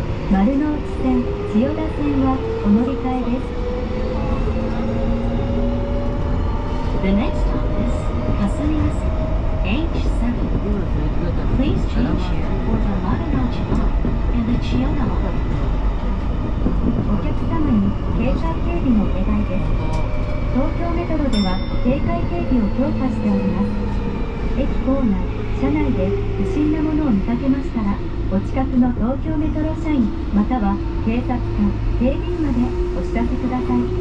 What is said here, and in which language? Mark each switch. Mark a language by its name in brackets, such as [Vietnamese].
[Japanese] 丸ノ内線、千代田線はお乗り換えです。 [English] The next stop is 霞が関 H7. Please change here for the 丸ノ内 line and the 千代田 line。 [Japanese] お客様に警官警備のお願いです。東京メトロでは警戒警備を強化しております。駅構内、車内で不審なものを見かけましたら、お近くの東京メトロ社員または警察官、警備員までお知らせください。